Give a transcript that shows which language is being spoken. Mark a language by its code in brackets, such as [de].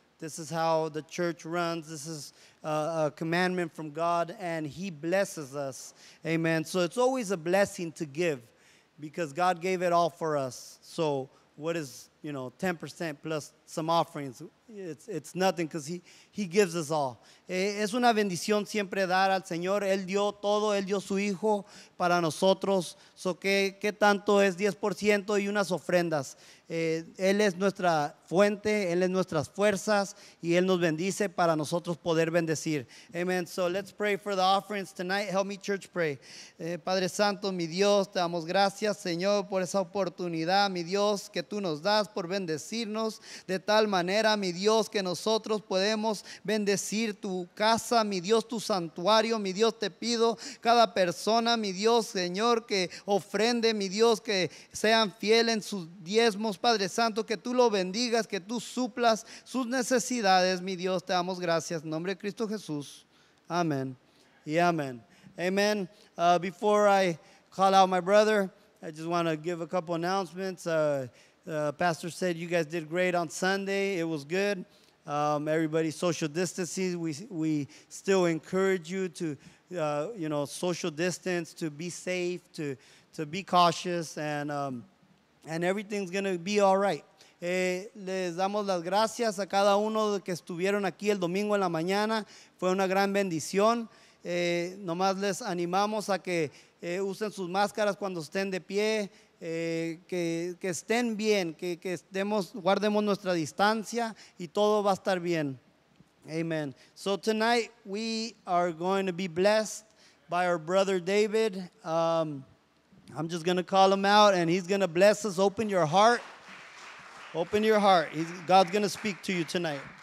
[en] This is how the church runs. This is a commandment from God, and he blesses us. Amen. So it's always a blessing to give because God gave it all for us. So what is, 10% plus some offerings? It's nothing because he gives us all. [es] Es una bendición siempre dar al Señor. Él dio todo, Él dio su Hijo para nosotros. So, ¿qué tanto es 10% y unas ofrendas? Él es nuestra fuente, Él es nuestras fuerzas, y Él nos bendice para nosotros poder bendecir. Amen. [en] So, let's pray for the offerings tonight. Help me, church, pray. [es] Padre Santo, mi Dios, te damos gracias, Señor, por esa oportunidad, mi Dios, que tú nos das por bendecirnos de tal manera, mi Dios, que nosotros podemos bendecir tu casa, mi Dios, tu santuario. Mi Dios, te pido cada persona, mi Dios, Señor, que ofrende, mi Dios, que sean fieles en sus diezmos, Padre Santo, que tú lo bendigas, que tú suplas sus necesidades, mi Dios, te damos gracias. En nombre de Cristo Jesús, amén y amén. Amen. [en] Before I call out my brother, I just want to give a couple announcements. Pastor said you guys did great on Sunday. It was good. Everybody social distancing. We still encourage you to, social distance, to be safe, to be cautious, and everything's going to be all right. [es] Les damos las gracias a cada uno que estuvieron aquí el domingo en la mañana. Fue una gran bendición. Nomás les animamos a que usen sus máscaras cuando estén de pie. Que estén bien, que estemos, guardemos nuestra distancia y todo va a estar bien. Amen. [en] So tonight we are going to be blessed by our brother David. I'm just going to call him out and he's going to bless us. Open your heart. Open your heart. God's going to speak to you tonight.